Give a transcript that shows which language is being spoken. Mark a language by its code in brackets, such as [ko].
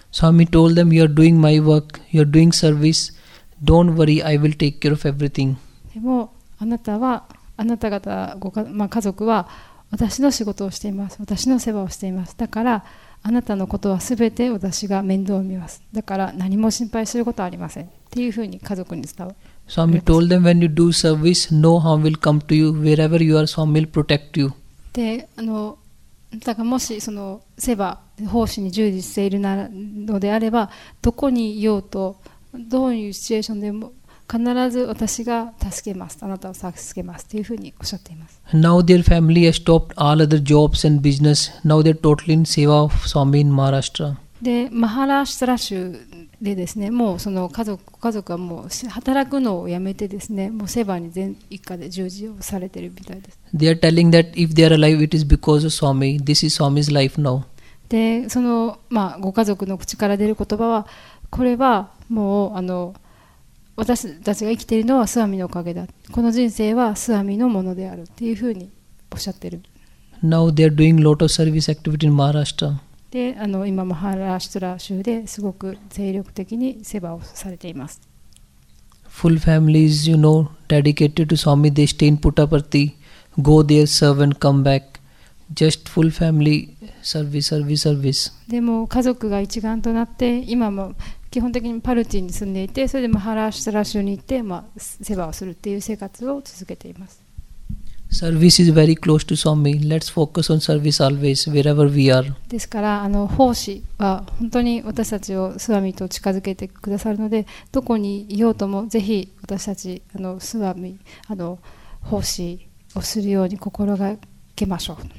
[en] Swami told them, you are doing my work, you are doing service, don't worry, I will take care of everything. [ja] でも、あなたはあなた方ご、まあ、家族は私の仕事をしています、私の世話をしています、だからあなたのことはすべて私が面倒を見ます、だから何も心配することはありませんっていうふうに家族に伝わる。 [en] Swami told them when you do service no harm will come to you wherever you are Swami will protect you。 [ja] で、あの、だからもしその世話奉仕に従事しているのであればどこにいようとどういうシチュエーションでも必ず私が助けます。あなたを助けます。というふうにおっしゃっています。 [en] Now their family has stopped all other jobs and business. Now they're totally in seva of Swami in Maharashtra. [ja] で、マハラシュトラ州でですね、もうその家族はもう働くのをやめてですね、もうセバに全一家で従事をされているみたいです。 [en] They are telling that if they are alive, it is because of Swami. This is Swami's life now. [ja] で、その、まあ、ご家族の口から出る言葉は、これはもう、あの、私たちが生きているのはスワミのおかげだ。この人生はスワミのものであるっていうふうにおっしゃってる。 [en] Now they are doing lot of service activity in Maharashtra. [ja] で、あの、今マハラシュトラ州ですごく精力的に世話をされています。 [en] Full families, you know, dedicated to Swami, they stay in Puttaparthi, go there, serve and come back. Just full family service, service, service. [ja] でも家族が一丸となって今も基本的にパルティに住んでいて、それでマハラシュトラ州に行って、まあ、世話をするっていう生活を続けています。 [en] Service is very close to Swami. Let's focus on service always, wherever we are. [ja] ですから、あの、奉仕は本当に私たちをスワミと近づけてくださるので、どこにいようとも、ぜひ私たち、あの、スワミ、あの、奉仕をするように心がけましょう。